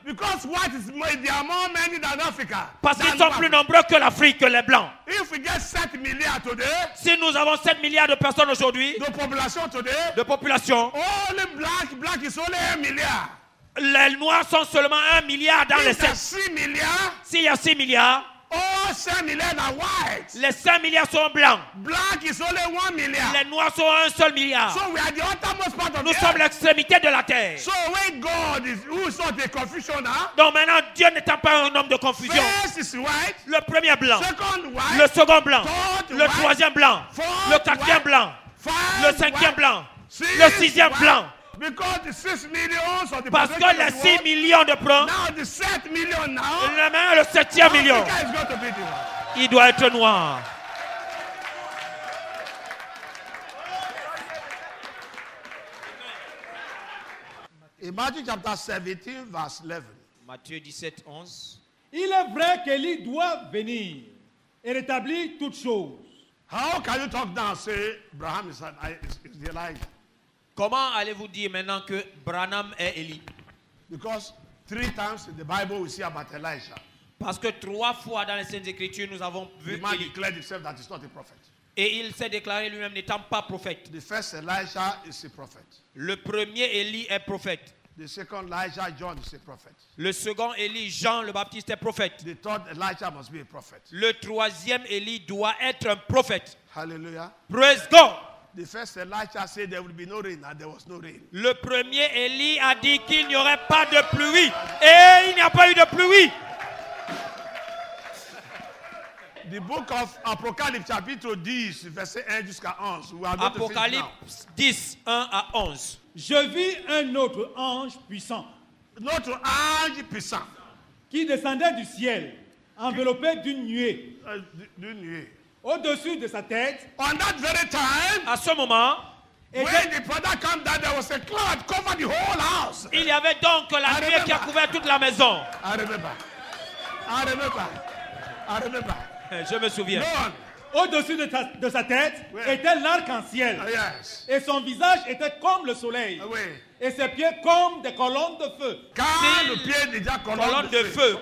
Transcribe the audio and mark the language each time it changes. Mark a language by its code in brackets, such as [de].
[en] Because white is more, there are more many than Africa. [fr] Parce qu'ils sont plus nombreux que l'Afrique, que les blancs. [en] If we get 7 milliards today, [fr] si nous avons 7 milliards de personnes aujourd'hui, [en] the population today, [fr] de population, [en] only black is only 1 milliard. [fr] Les noirs sont seulement 1 milliard dans les 7. S'il y a 6 milliards, [en] oh, 5 milliards are white. [fr] Les 5 milliards sont blancs. [en] Black is only 1 milliard. [fr] Les noirs sont 1 seul milliard. [en] So we are the uttermost part of [fr] nous [en] the [fr] sommes [en] earth. [fr] L'extrémité de la terre. [en] So when God is, who is not a confusion, huh? [fr] Donc maintenant, Dieu n'étant pas un homme de confusion, [en] first is white, [fr] le premier blanc, [en] second white, [fr] le second blanc, [en] third [fr] le [en] white, [fr] troisième blanc, [en] fourth [fr] le quatrième [en] white, [fr] blanc, [en] five [fr] le cinquième [en] white, [fr] blanc, [en] six [fr] le sixième [en] white. [fr] Blanc. [en] Because the 6 millions of the [fr] parce que les 6 millions de blancs, [en] now the 7 million now, [fr] le même, le 7e million, [en] is going to be [fr] the il doit être noir. [en] Imagine chapter 17, verse 11. [fr] Matthieu 17, 11. Il est vrai qu'Élie doit venir et rétablir toutes choses. [en] How can you talk down and say Abraham is Elijah? [fr] Comment allez-vous dire maintenant que Branham est Élie? [en] Because three times in the Bible we see about Elijah. [fr] Parce que trois fois dans les Saintes Écritures nous avons vu [en] Élie. The man declared himself that he's not a prophet. [fr] Et il s'est déclaré lui-même n'étant pas prophète. [en] The first Elijah is a prophet. [fr] Le premier Élie est prophète. [en] The second Elijah, John, is a prophet. [fr] Le second Élie, Jean le Baptiste, est prophète. [en] The third Elijah must be a prophet. [fr] Le troisième Élie doit être un prophète. [en] Hallelujah. Praise God. The first Elijah said there will be no rain, and there was no rain. [fr] Le premier Élie a dit qu'il n'y aurait pas de pluie, et il n'y a pas eu de pluie. [en] The book of Apocalypse, chapter 10, verse 1 jusqu'à 11. We are [fr] Apocalypse 10, 1 à 11. Je vis un autre ange puissant. Notre ange puissant. Qui descendait du ciel, enveloppé d'une nuée. D'une nuée. Au-dessus de sa tête. [en] On that very time. [fr] À ce moment. [en] When the brother came down, there was a cloud covered the whole house. [fr] Il y avait donc la nuée qui a couvert toute la maison. [en] I remember. [fr] Je me souviens. Au-dessus de sa tête était l'arc-en-ciel. [en] Yes. [fr] Et son visage était comme le soleil. Et ses pieds comme des colonnes de feu.